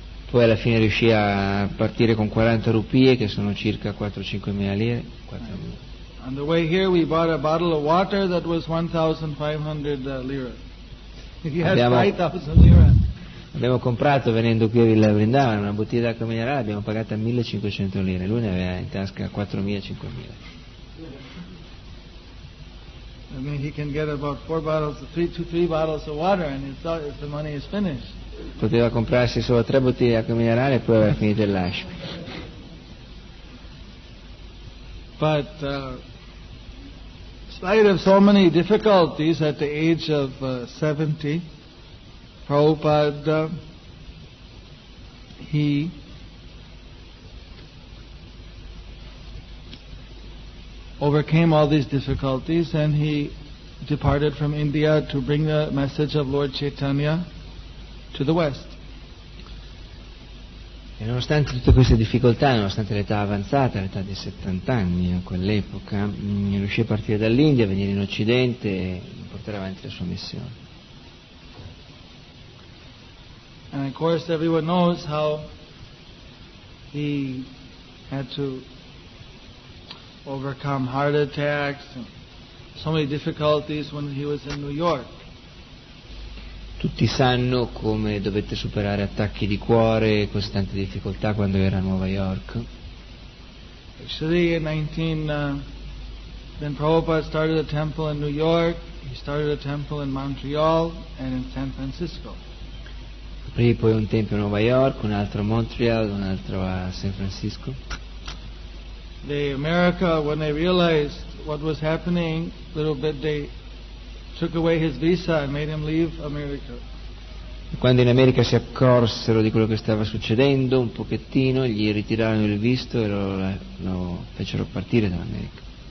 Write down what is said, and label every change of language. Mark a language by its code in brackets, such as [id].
[it] Poi alla fine riuscì a partire con 40 rupie, che sono circa 4-5 mila lire. [en] On the way here we bought a bottle of water that was 1,500 lire. [it] Abbiamo comprato, venendo qui a Villa Vrindavan, una bottiglia d'acqua minerale, abbiamo pagato 1,500 lire. Lui ne aveva in tasca 4,000-5,000. [en] I mean, he can get about two, three bottles of water and if the money is finished. [it] Poteva comprarsi solo tre bottiglie di acqua minerale e poi aveva finito il lascio. [en] But spite of so many difficulties at the age of 70, Prabhupada he overcame all these difficulties and he departed from India to bring the message of Lord Chaitanya to the West. [it] E nonostante tutte queste difficoltà, nonostante l'età avanzata, l'età di 70 anni a quell'epoca, riuscì a partire dall'India, venire in Occidente e portare avanti la sua missione. [en] And of course, everyone knows how he had to overcome heart attacks and so many difficulties when he was in New York. [it] Tutti sanno come dovette superare attacchi di cuore e così tante difficoltà quando era a New York. [en] Actually, in 19, Prabhupada started a temple in New York. He started a temple in Montreal and in San Francisco. [it] Aprì poi un tempio a New York, un altro a Montreal, un altro a San Francisco. [en] The America, when they realized what was happening, a little bit they took away his visa and made him leave America. [it] Quando in America si accorsero di quello che stava succedendo, un pochettino gli ritirarono il visto e lo fecero partire dall'America.